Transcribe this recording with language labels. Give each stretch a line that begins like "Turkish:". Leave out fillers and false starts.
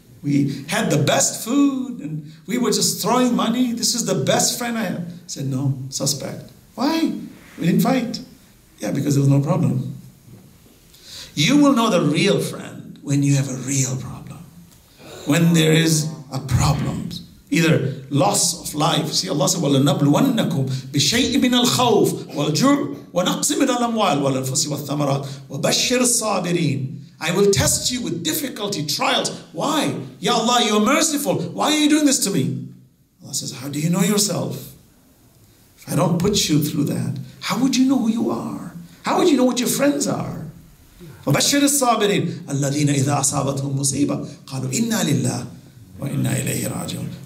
English: We had the best food, and we were just throwing money. This is the best friend I have. I said, no, suspect. Why? We didn't fight. Yeah, because there was no problem. You will know the real friend when you have a real problem. When there is a problem. Either loss of life. See, Allah said,
Arabic: وَلَنَبْلُوَنَّكُمْ بِشَيْءٍ مِنَ الْخَوْفِ وَالْجُرْءِ وَنَقْصٍ مِنَ الْأَمْوَالِ وَالْأَنْفُسِ وَالثَّمَرَاتِ وَبَشِّرِ الصَّابِرِينَ.
English: I will test you with difficulty, trials. Why? Ya Allah, you are merciful. Why are you doing this to me? Allah says, how do you know yourself? If I don't put you through that, how would you know who you are? How would you know what your friends are?
Arabic: وَبَشِّرِ الصَّابِرِينَ الَّذِينَ إِذَا أَصَابَتْهُمْ مُصِيبَةٌ قَالُوا إِنَّا لِلَّهِ وَإِنَّا إِلَيْهِ رَاجِعُونَ.